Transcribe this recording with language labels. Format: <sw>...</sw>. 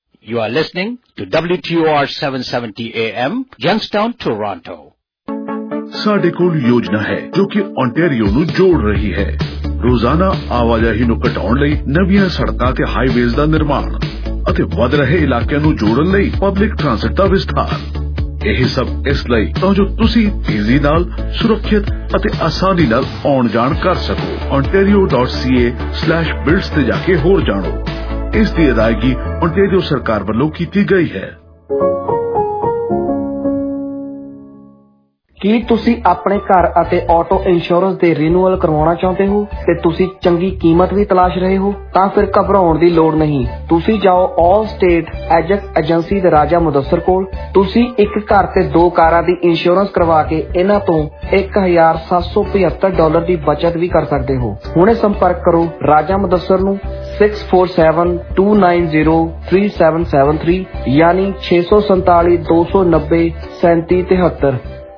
<en>you are listening to WTOR 770 AM جنگس town Toronto</en> <pa>ساڈے کول یوجنا ہے جو کہ اونٹیریو نو جوڑ رہی ہے روزانہ آواجاہی نو کٹاؤن لئی نویاں سڑکاں تے ہائی ویز دا نرمان اتے ود رہے علاقیاں نو جوڑن لئی پبلک ٹرانسٹ دا وستار یہ سب اس لئی تاں جو تسی تیزی نال سرکھیت اتے آسانی نال آن جان کر سکو Ontario.ca/builds تے جا کے ہور جانو اس دی ادائیگی اونٹیریو سرکار ولوں کیتی گئی ہے ਕੀ ਤੁਸੀਂ ਆਪਣੇ ਘਰ ਅਤੇ ਆਟੋ ਇੰਸ਼ੋਰੈਂਸ ਦੇ ਰਿਨਿਊਅਲ ਕਰਵਾਉਣਾ ਚਾਹੁੰਦੇ ਹੋ ਤੇ ਤੁਸੀਂ ਚੰਗੀ ਕੀਮਤ ਵੀ ਤਲਾਸ਼ ਰਹੇ ਹੋ ਤਾਂ ਫਿਰ ਘਬਰਾਉਣ ਦੀ ਲੋੜ ਨਹੀਂ ਤੁਸੀਂ ਜਾਓ ਆਲ ਸਟੇਟ ਐਜੈਕਟ ਏਜੰਸੀ ਦੇ ਰਾਜਾ ਮੁਦੱਸਰ ਕੋਲ ਤੁਸੀਂ ਇੱਕ ਘਰ ਤੇ ਦੋ ਕਾਰਾਂ ਦੀ ਇੰਸ਼ੋਰੈਂਸ ਕਰਵਾ ਕੇ ਇਹਨਾਂ ਤੋਂ $1,775 ਦੀ ਬਚਤ ਵੀ ਕਰ ਸਕਦੇ ਹੋ ਹੁਣੇ ਸੰਪਰਕ ਕਰੋ ਰਾਜਾ ਮੁਦੱਸਰ ਨੂੰ 6472903773 ਯਾਨੀ 6472903773</pa>